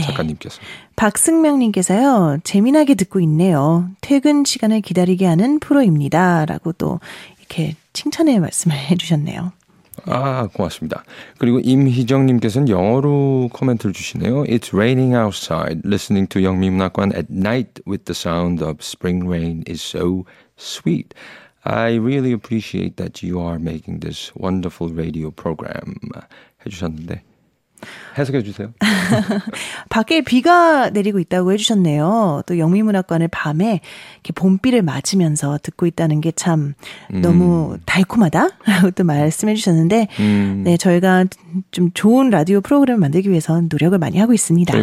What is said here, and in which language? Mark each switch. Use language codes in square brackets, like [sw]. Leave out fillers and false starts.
[ko] 작가님께서. 박승명님께서요. 재미나게 듣고 있네요. 퇴근 시간을 기다리게 하는 프로입니다. 라고 또 이렇게 칭찬의 말씀을 해주셨네요. 아, 고맙습니다. 그리고 임희정님께서는 영어로 코멘트를 주시네요. [en] It's raining outside. Listening to 영미문학관 at night with the sound of spring rain is so sweet. I really appreciate that you are making this wonderful radio program. [ko] 해주셨는데 해석해 주세요. 밖에 비가 내리고 있다고 해주셨네요. 또 영미문학관을 밤에 이렇게 봄비를 맞으면서 듣고 있다는 게 참 너무 달콤하다라고 또 말씀해 주셨는데 네, 저희가 좀 좋은 라디오 프로그램을 만들기 위해서는 노력을 많이 하고 있습니다.